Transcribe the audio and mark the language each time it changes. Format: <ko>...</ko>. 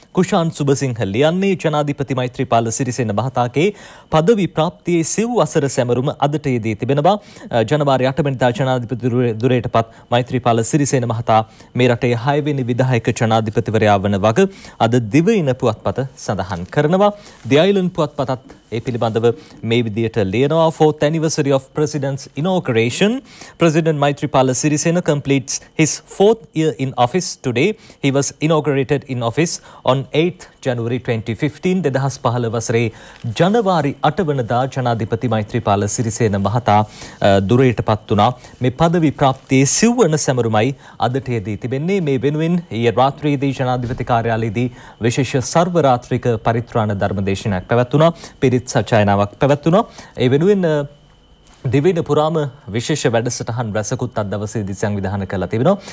<si>කුෂාන් සුබසිංහ ලියන්නේ ජනාධිපති මෛත්‍රීපාල සිරිසේන මහතාගේ පදවි ප්‍රාප්තියේ සිව්වසර සැමරුම අදට යෙදී තිබෙනවා. ජනවාරි 8 වෙනිදා ජනාධිපති දුරේට පත් මෛත්‍රීපාල සිරිසේන මහතා මේ රටේ 6 වෙනි විධායක ජනාධිපතිවරයා වන වග අද දිවයින පුවත්පත සඳහන් කරනවා. ද අයිලන් පුවත්පතත් ඒ පිළිබඳව මේ විදියට ලියනවා.</si> <en>4th anniversary of president's inauguration, president maitripala sirisena completes his 4th year in office today. He was inaugurated in office on 8th january 2015</en> <si>2015 වසරේ ජනවාරි 8 වනදා ජනාධිපති maitripala sirisena මහතා දුරේටපත් වුණා. මේ পদවි ප්‍රාප්තියේ සිව්වන සැමරුමයි අදටයේදී තිබෙන්නේ. මේ වෙනුවෙන් ඊයේ රාත්‍රියේදී ජනාධිපති කාර්යාලයේදී විශේෂ සර්වරාත්‍රික පරිත්‍රාණ ධර්ම දේශනාවක් පැවැත්තුණා. සචයනාවක් පැවැත්වුණා. ඒ වෙනුවෙන් දිවින පුරාම විශේෂ වැඩසටහන් රැසකුත් අදවසේදී සංවිධානය කළ තිබෙනවා.</si>